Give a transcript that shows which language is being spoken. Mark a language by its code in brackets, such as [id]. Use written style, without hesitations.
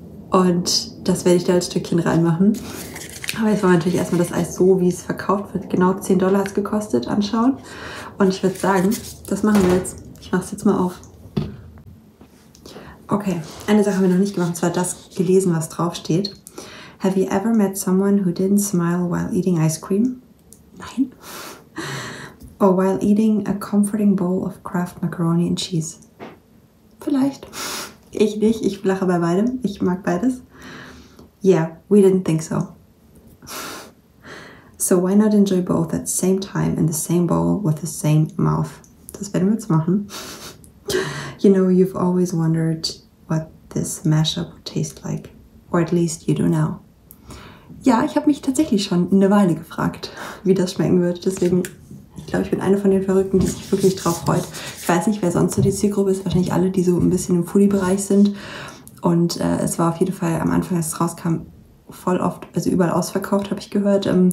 [de] Und das werde ich da als Stückchen reinmachen. Aber jetzt wollen wir natürlich erstmal das Eis so, wie es verkauft wird. Genau $10 hat es gekostet, anschauen. Und ich würde sagen, das machen wir jetzt. Ich mache es jetzt mal auf. Okay, eine Sache haben wir noch nicht gemacht, und zwar das gelesen, was draufsteht. [en] Have you ever met someone who didn't smile while eating ice cream? [de] Nein. [en] Or while eating a comforting bowl of Kraft Macaroni and Cheese? [de] Vielleicht. Ich nicht, ich lache bei beidem, ich mag beides. [en] Yeah, we didn't think so. So why not enjoy both at the same time in the same bowl with the same mouth? [de] Das werden wir jetzt machen. [en] You know, you've always wondered what this mashup would taste like. Or at least you do now. [de] Ja, ich habe mich tatsächlich schon eine Weile gefragt, wie das schmecken wird. Deswegen, ich glaube, ich bin eine von den Verrückten, die sich wirklich drauf freut. Ich weiß nicht, wer sonst so die Zielgruppe ist. Wahrscheinlich alle, die so ein bisschen im Foodie-Bereich sind. Und es war auf jeden Fall am Anfang, als es rauskam, voll oft, also überall ausverkauft, habe ich gehört.